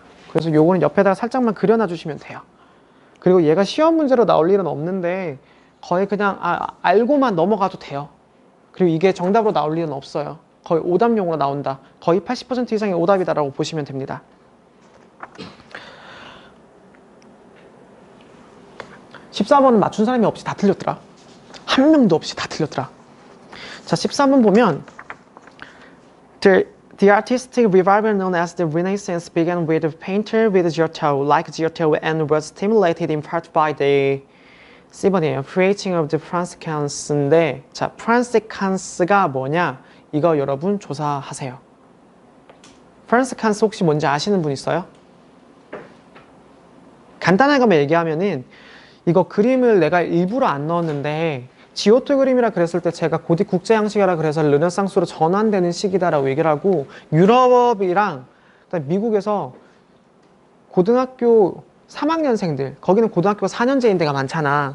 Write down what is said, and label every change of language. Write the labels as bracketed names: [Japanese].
[Korean] 그래서 요거는 옆에다가 살짝만 그려놔 주시면 돼요. 그리고 얘가 시험 문제로 나올 일은 없는데 거의 그냥 알고만 넘어가도 돼요. 그리고 이게 정답으로 나올 일은 없어요. 거의 오답용으로 나온다. 거의 80% 이상의 오답이다라고 보시면 됩니다. 14번은 맞춘 사람이 없이 다 틀렸더라. 한 명도 없이 다 틀렸더라. 자, 13번 보면 [English] The artistic revival known as the Renaissance began with a painter with Giotto, like Giotto, and was stimulated in part by the [Korean] C번이에요. [English] Creating of the Franciscans [Korean] 인데 자, Franciscans가 뭐냐? 이거 여러분 조사하세요. Franciscans 혹시 뭔지 아시는 분 있어요? 간단하게 얘기하면은 이거 그림을 내가 일부러 안 넣었는데 지오토 그림이라 그랬을 때 제가 고딕 국제 양식이라 그래서 르네상스로 전환되는 시기다라고 얘기를 하고, 유럽이랑 그다음에 미국에서 고등학교 3학년생들, 거기는 고등학교 4년제인 데가 많잖아.